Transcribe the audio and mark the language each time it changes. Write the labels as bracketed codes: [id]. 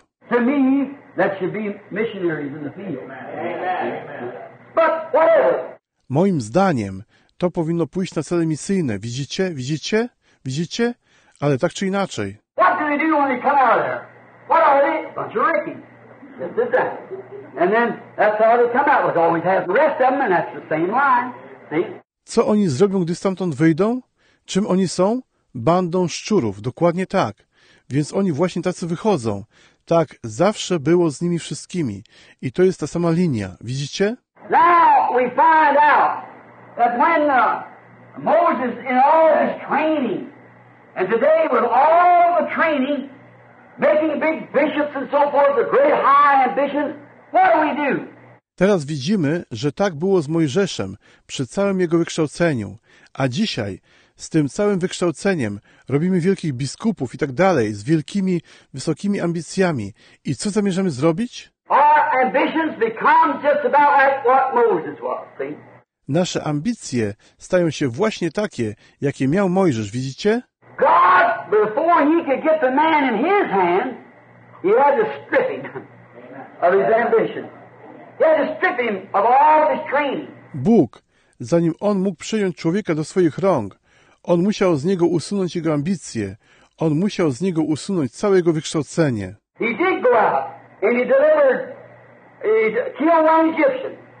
[en] To me, that should be missionaries in the field. But whatever. [pl] Moim zdaniem to powinno pójść na cele misyjne. Widzicie? Widzicie? Widzicie? Ale tak czy inaczej. [en] What do they do when they come out of there? What are they? Bunch of rickings. This is that. And then that's all they come out with. Always have the rest of them, and that's the same line. See? [pl] Co oni zrobią, gdy stamtąd wyjdą? Czym oni są? Bandą szczurów. Dokładnie tak. Więc oni właśnie tacy wychodzą. Tak zawsze było z nimi wszystkimi. I to jest ta sama linia. Widzicie? [en] Now we find out that when Moses in all his training, and today with all the training, making big bishops and so forth, the great high ambitions, what do? [pl] Teraz widzimy, że tak było z Mojżeszem przy całym jego wykształceniu. A dzisiaj z tym całym wykształceniem robimy wielkich biskupów i tak dalej, z wielkimi, wysokimi ambicjami. I co zamierzamy zrobić? [en] Our ambitions become just about like what Moses was, see? [pl] Nasze ambicje stają się właśnie takie, jakie miał Mojżesz, widzicie? [en] God, before he could get the man in his hand, he had to strip him of his ambition. He had to strip him of all his training. [pl] Bóg, zanim on mógł przyjąć człowieka do swoich rąk, on musiał z niego usunąć jego ambicje. On musiał z niego usunąć całe jego wykształcenie. [en] He did go out and he delivered, he killed one Egyptian.